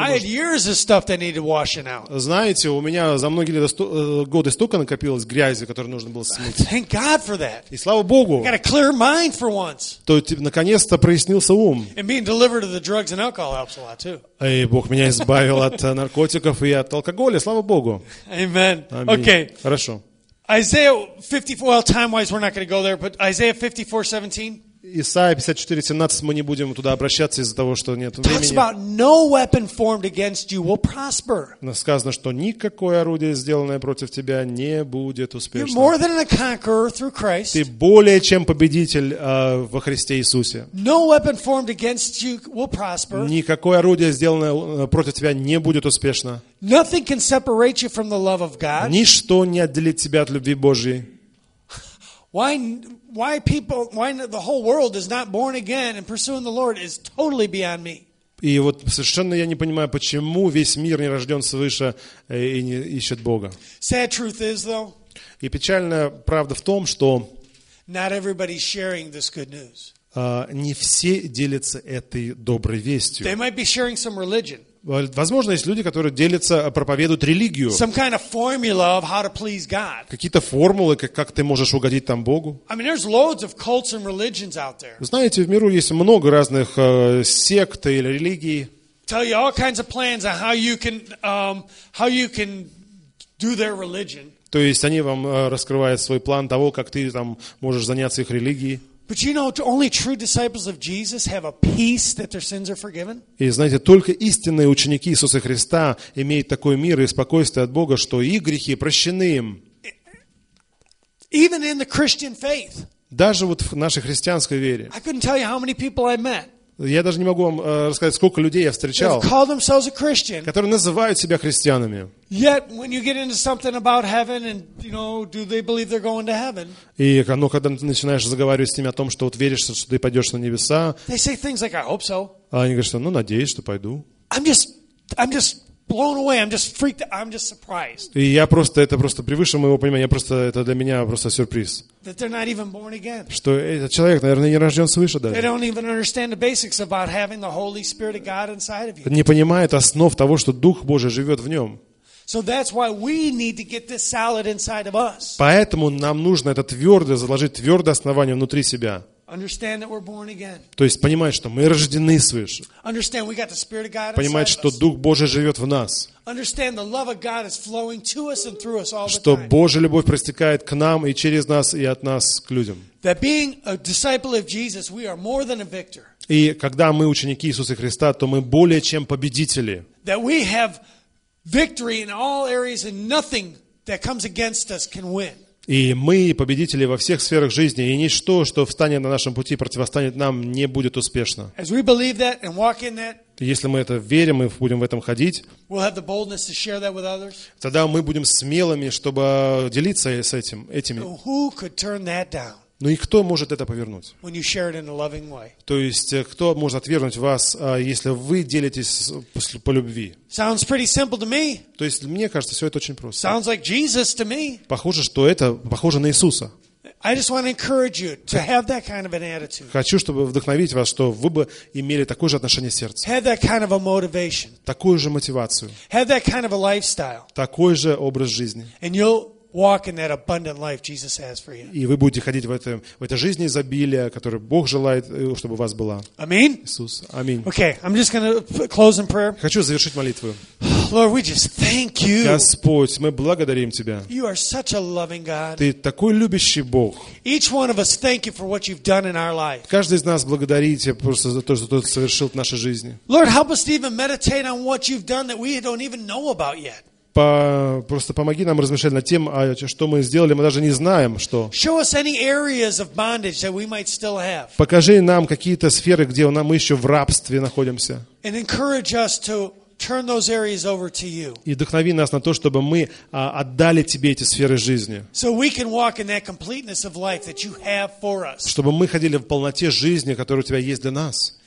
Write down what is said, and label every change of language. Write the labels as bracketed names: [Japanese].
[English] I had years of stuff that needed washing out. [Russian] Знаете, у меня за многие годы столько накопилось грязи, которую нужно было смыть. [English] Thank God for that. [Russian] И слава Богу. [English] Got a clear mind for once. [Russian] То есть наконец-то прояснился ум. [English] And being delivered of the drugs and alcohol helps a lot too. [Russian] И Бог меня избавил от наркотиков и от алкоголя, слава Богу. [English] Amen. Okay. [Russian] Хорошо. [English] Isaiah 54, well, time-wise, we're not going to go there, but Isaiah 54:17. [Russian] Исайя 54:17, мы не будем туда обращаться из-за того, что нет времени. [English] Talks about no weapon formed against you will prosper. [Russian] Сказано, что никакое орудие, сделанное против тебя, не будет успешным. [English] You're more than a conqueror through Christ. [Russian] Ты более чем победитель во Христе Иисусе. [English] No weapon formed against you will prosper. [Russian] Никакое орудие, сделанное против тебя, не будет успешно. [English] Nothing can separate you from the love of God. [Russian] Ничто не отделит тебя от любви Божьей. [English] Why the whole world is not born again and pursuing the Lord is totally beyond me. [Russian] И вот совершенно я не понимаю, почему весь мир не рожден свыше и не ищет Бога. [English] Sad truth is, though. [Russian] И печальная правда в том, что [English] not everybody's sharing this good news. [Russian] Не все делятся этой доброй вестью. [English] They might be sharing some religion. [Russian] Возможно, есть люди, которые делятся, проповедуют религию. [English] Some kind of formula of how to please God. [Russian] Какие-то формулы, как ты можешь угодить там Богу. [English] I mean, there's loads of cults and religions out there. [Russian] Знаете, в миру есть много разных сект или религий. [English] Tell you all kinds of plans on how you can do their religion. [Russian] То есть они вам раскрывают свой план того, как ты там можешь заняться их религией. [English] But you know, only true disciples of Jesus have a peace that their sins are forgiven. [Russian] И знаете, только истинные ученики Иисуса Христа имеют такой мир и спокойствие от Бога, что их грехи прощены им. [English] Even in the Christian faith. [Russian] Даже вот в нашей христианской вере. [English] I couldn't tell you how many people I met. [Russian] Я даже не могу вам рассказать, сколько людей я встречал, [English] call themselves a Christian, [Russian] которые называют себя христианами. [English] Yet when you get into something about heaven and you know, do they believe they're going to heaven? [Russian] И когда ты начинаешь заговаривать с ними о том, что вот веришь, что ты пойдешь на небеса, [English] they say things like, "I hope so." [Russian] Они говорят, что, ну, надеюсь, что пойду. [English] I'm just blown away. I'm just freaked. I'm just surprised. [Russian] И я просто это просто превыше моего понимания. Я просто это для меня просто сюрприз. [English] That they're not even born again. [Russian] Что этот человек, наверное, не рожден свыше даже. [English] They don't even understand the basics about having the Holy Spirit of God inside of you. [Russian] Не понимает основ того, что Дух Божий живет в нем. [English] So that's why we need to get this solid inside of us. [Russian] Поэтому нам нужно это твердое заложить, твердое основание внутри себя. [English] Understand that we're born again. [Russian] То есть понимать, что мы рождены свыше. [English] Understand we got the Spirit of God inside. [Russian] Понимать, что Дух Божий живет в нас. [English] Understand the love of God is flowing to us and through us all the time. [Russian] Что Божья любовь протекает к нам и через нас и от нас к людям. [English] That being a disciple of Jesus, we are more than a victor. [Russian] И когда мы ученики Иисуса Христа, то мы более чем победители. [English] That we have victory in all areas and nothing that comes against us can win. [Russian] И мы победители во всех сферах жизни, и ничто, что встанет на нашем пути, противостанет нам, не будет успешно. [English] As we believe that and walk in that, [Russian] если мы это верим и будем в этом ходить, [English] we'll have the boldness to share that with others. [Russian] Тогда мы будем смелыми, чтобы делиться с этим, этими. [English] So who could turn that down? [Russian] Ну и кто может это повернуть? [English] When you share it in a loving way. [Russian] То есть, кто может отвергнуть вас, если вы делитесь по любви? [English] Sounds pretty simple to me. [Russian] То есть, мне кажется, все это очень просто. [English] Sounds like Jesus to me. [Russian] Похоже, что это похоже на Иисуса. [English] I just want to encourage you to have that kind of an attitude. [Russian] Хочу, чтобы вдохновить вас, что вы бы имели такое же отношение сердца. [English] Have that kind of a motivation. [Russian] Такую же мотивацию. [English] Have that kind of a lifestyle. [Russian] Такой же образ жизни. [English] And you'll walk in that abundant life Jesus has for you. [Russian] И вы будете ходить в этой жизни изобилия, которую Бог желает, чтобы у вас была. Аминь. Иисус. Аминь. [English] Okay, I'm just going to close in prayer. [Russian] Хочу завершить молитву. [English] Lord, we just thank you. [Russian] Господь, мы благодарим тебя. [English] You are such a loving God. [Russian] Ты такой любящий Бог. [English] Each one of us thank you for what you've done in our life. [Russian] Каждый из нас благодарите просто за то, что ты совершил в нашей жизни. [English] Lord, help us to even meditate on what you've done that we don't even know about yet. [Russian] Просто помоги нам размышлять над тем, что мы сделали, мы даже не знаем, что. [English] Show us any areas of bondage that we might still have. [Russian] Покажи нам какие-то сферы, где мы еще в рабстве находимся. [English] And encourage us to turn those areas over to you. [Russian] И вдохнови нас на то, чтобы мы отдали тебе эти сферы жизни. [English] So we can walk in that completeness of life that you have for us. [Russian] Чтобы мы ходили в полноте жизни, которая у тебя есть для нас.